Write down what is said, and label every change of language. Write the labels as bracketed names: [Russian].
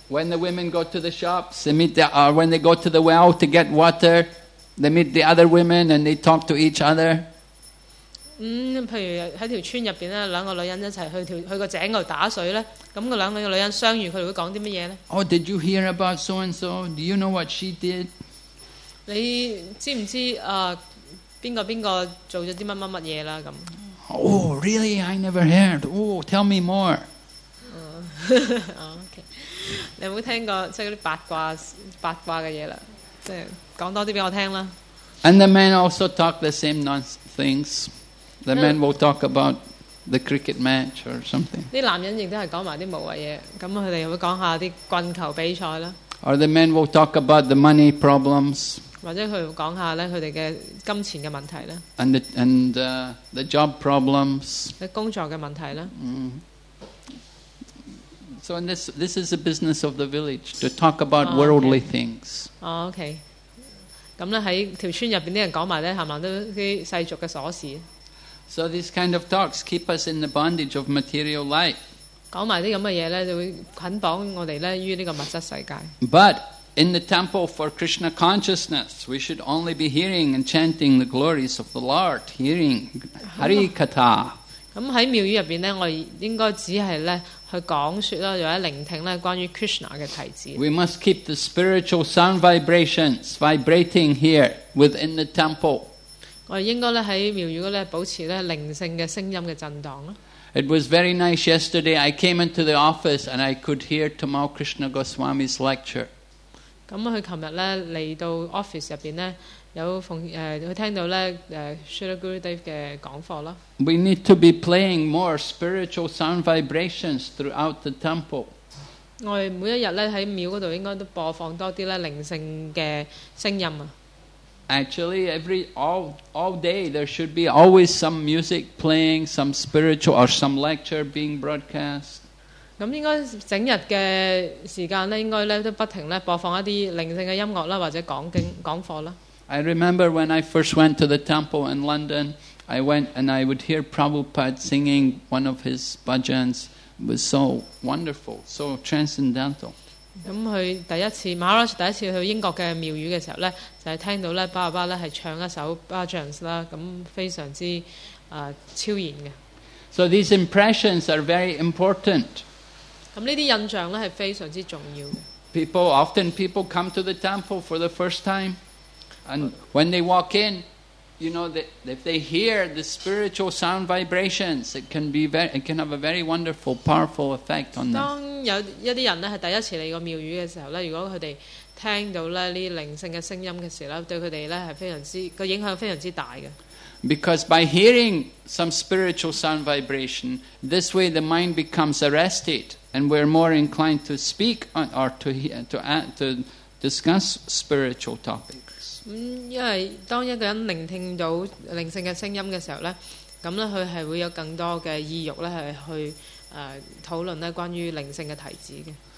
[English] ？When the women go to the shops, they meet the when they go to the well to get water, they meet the other women and they talk to each other. [Cantonese] 譬如喺條村入邊咧，兩個女人一齊去個井度打水咧，咁個兩個女人相遇，佢哋會講啲乜嘢咧 [English] ？Oh, did you hear about so and so? Do you know what she did? [Cantonese] 你知唔知邊個邊個做咗啲乜乜乜嘢啦？咁。 [English] Oh, really? I never heard. Oh, tell me more. Okay. [Cantonese] 你有冇聽過即係嗰啲八卦嘅嘢啦？即係講多啲俾我聽啦。 [English] And the men also talk the same things. The men will talk about the cricket match or something. [Cantonese] 啲男人亦都係講埋啲無謂嘢，咁佢哋會講下啲棍球比賽啦。 [English] Or the men will talk about the money problems. [Cantonese] 或者佢講下咧，佢哋嘅金錢嘅問題咧 [English] ，and the job problems， [Cantonese] 嘅工作嘅問題咧。 [English] So in this is the business of the village to talk about worldly things. [Cantonese] Okay， 咁咧喺條村入邊啲人講埋咧，冚唪唥都啲世俗嘅瑣事。 [English] So these kind of talks keep us in the bondage of material life。 [Cantonese] 講埋啲咁嘅嘢咧，就會捆綁我哋咧於呢個物質世界。 [English] But in the temple for Krishna consciousness, we should only be hearing and chanting the glories of the Lord, hearing Hari Katha. [Cantonese] 咁喺廟宇入邊咧，我應該只係咧去講説啦，或者聆聽咧關於 Krishna 嘅題字。 [English] We must keep the spiritual sound vibrations vibrating here within the temple. [Cantonese] 我應該咧喺廟宇嗰咧保持咧靈性嘅聲音嘅震盪啦。 [English] It was very nice yesterday. I came into the office and I could hear Tamal Krishna Goswami's lecture. [Cantonese] 咁佢琴日咧嚟到 office 入邊咧，有奉佢聽到咧Srila Gurudev 嘅講課啦。 [English] We need to be playing more spiritual sound vibrations throughout the temple。 [Cantonese] 我哋每一日咧喺廟嗰度應該都播放多啲咧靈性嘅聲音啊。 [English] Actually, all day there should be always some music playing, some spiritual or some lecture being broadcast. [Cantonese] 咁應該整日嘅時間咧，應該咧都不停咧播放一啲靈性嘅音樂啦，或者講經講課啦。 [English] I remember when I first went to the temple in London, I went and I would hear Prabhupada singing one of his bhajans. It was so wonderful, so transcendental. [Cantonese] 咁佢第一次 Maharaj 第一次去英國嘅廟宇嘅時候咧，就係聽到咧巴巴咧係唱一首 bhajans 啦，咁非常之超然嘅。 [English] So these impressions are very important. [Cantonese] 咁呢啲印象咧係非常之重要嘅。 [English] People come to the temple for the first time, and when they walk in, you know that if they hear the spiritual sound vibrations, it can have a very wonderful, powerful effect on them. [Cantonese] 當有一啲人咧係第一次嚟個廟宇嘅時候咧，如果佢哋聽到咧呢靈性嘅聲音嘅時咧，對佢哋咧係非常之個影響非常之大嘅。 [English] Because by hearing some spiritual sound vibration, this way the mind becomes arrested, and we're more inclined to speak or to discuss spiritual topics. [Cantonese] 因為當一個人聆聽到靈性嘅聲音嘅時候咧，咁咧佢係會有更多嘅意欲咧，係去討論咧關於靈性嘅題旨嘅。